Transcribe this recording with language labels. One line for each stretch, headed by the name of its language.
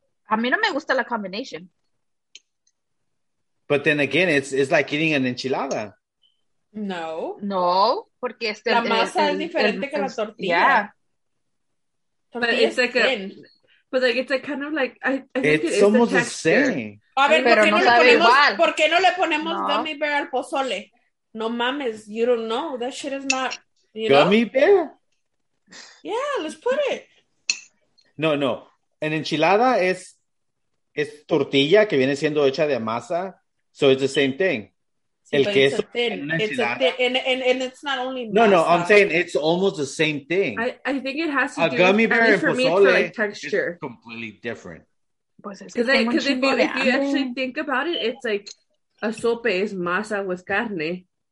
Spanish: A mí no me gusta la
English: combination. But then again, it's like eating an enchilada. No.
Spanish: No, porque este la masa es diferente que la tortilla.
English: Yeah. Tortilla but it's like thin. But like it's like kind of like I think it's almost the same.
Spanish: A ver, pero ¿por qué no le ponemos gummy bear al pozole? No mames,
English: you don't know. That shit is not, you know? Gummy bear? Yeah, let's put it. No, no.
Spanish: An enchilada es tortilla que viene siendo hecha de masa.
English: So it's the same thing.
Spanish: Sí, el queso.
English: It's it's not only masa. No, no, I'm saying it's almost the same thing. I think it has to do with at least for pozole, me, for like texture. It's completely different. Because if you actually think about it, it's like a sope is masa with carne.